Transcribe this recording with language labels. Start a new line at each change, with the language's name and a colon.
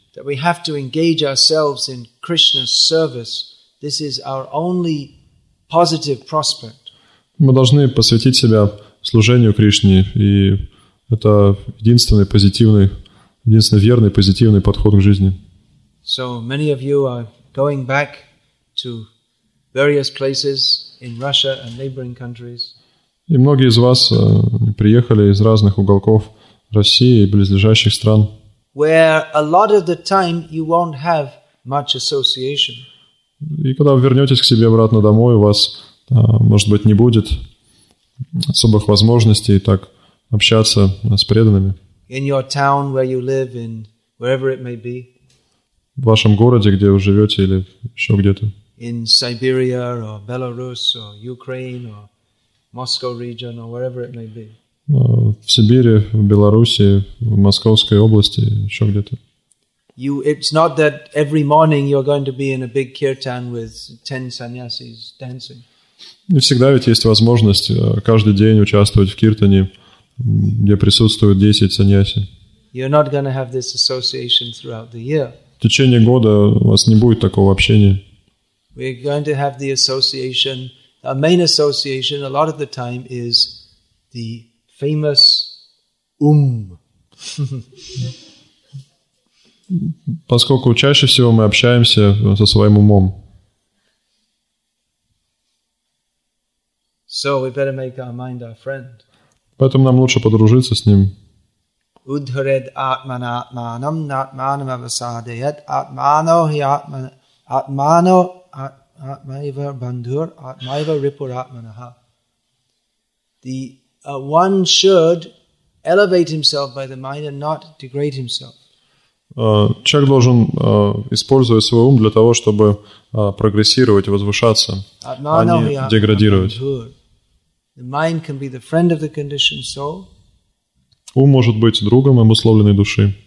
English: That we have to engage ourselves in Krishna's service. This is our only positive prospect.
Russian: Мы должны посвятить себя служению Кришне, и это единственный позитивный, единственный верный позитивный подход к жизни.
English: So many of you are going back to various places in Russia and neighboring countries.
Russian: И многие из вас приехали из разных уголков России и близлежащих стран.
English: Where a lot of the time you won't have much association.
Russian: И когда вы вернетесь к себе обратно домой, у вас, может быть, не будет особых возможностей так общаться с преданными.
English: In your town where you live, in wherever it may be.
Russian: В вашем городе, где вы живете, или еще где-то.
English: In Siberia or Belarus or Ukraine or Moscow region or wherever it may be.
Russian: В Сибири, в Беларуси, в Московской области, еще где-то.
English: You, it's not that every morning you're going to be in a big kirtan with 10 sannyasis dancing.
Russian: Не всегда ведь есть возможность каждый день участвовать в киртане, где присутствуют 10 саньяси.
English: You're not going to have this association throughout the year.
Russian: В течение года у вас не будет такого общения.
English: We're going to have the association. Our main association a lot of the time is the famous
Russian: Поскольку чаще всего мы общаемся со своим умом.
English: So we better make our mind our friend.
Russian: Поэтому нам лучше подружиться с ним.
Sanskrit: Удхред атмана атманам натманам авасадеят атмано хи атмано атмайва бандур атмайва рипур атманаха.
English: The one should elevate himself by the mind and not degrade himself.
Russian: Человек должен использовать свой ум для того, чтобы прогрессировать, возвышаться, а не деградировать.
English: The mind can be the friend of the conditioned soul.
Russian: Ум может быть другом обусловленной души.